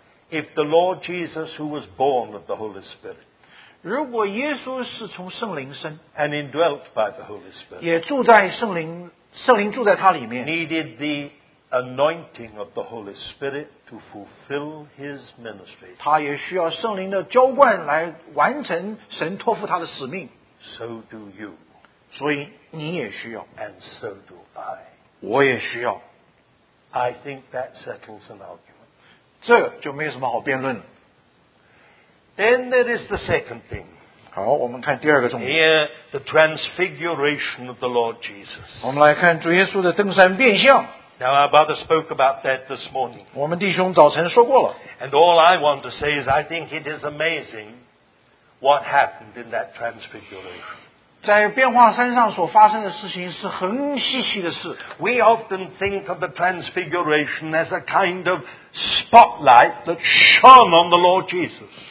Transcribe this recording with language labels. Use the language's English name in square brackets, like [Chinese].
[English] if the Lord Jesus, who was born of the Holy Spirit, [Chinese] 如果耶稣是从圣灵生, [English] and indwelt by the Holy Spirit, [Chinese] 也住在圣灵, 圣灵住在他里面, [English] needed the anointing of the Holy Spirit to fulfill his ministry. [Chinese] 他也需要圣灵的浇灌来完成神托付他的使命。 [English] So do you. [Chinese] 所以你也需要。 [English] And so do I. [Chinese] 我也需要。 [English] I think that settles an argument. [Chinese] 这就没什么好辩论。 [English] Then there is the second thing. [Chinese] 好，我们看第二个重点。 [English] Here, the transfiguration of the Lord Jesus. [Chinese] 我们来看主耶稣的登山变相。 [English] Now, our brother spoke about that this morning. [Chinese] 我们弟兄早晨说过了。 [English] And all I want to say is I think it is amazing what happened in that transfiguration. [Chinese] 在变化山上所发生的事情是很稀奇的事。 [English] We often think of the transfiguration as a kind of spotlight that shone on the Lord Jesus.